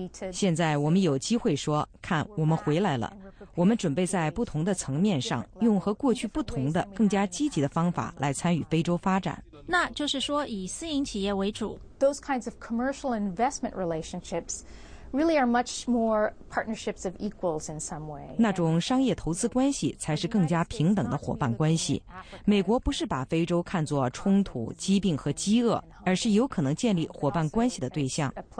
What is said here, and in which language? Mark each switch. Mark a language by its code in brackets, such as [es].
[zh] 现在我们有机会说，看，我们回来了，我们准备在不同的层面上用和过去不同的更加积极的方法来参与非洲发展。那就是说以私营企业为主。 [en] Those kinds of commercial investment relationships really are much more partnerships of equals in some way. [zh] 那种商业投资关系才是更加平等的伙伴关系。美国不是把非洲看作冲突、疾病和饥饿，而是有可能建立伙伴关系的对象。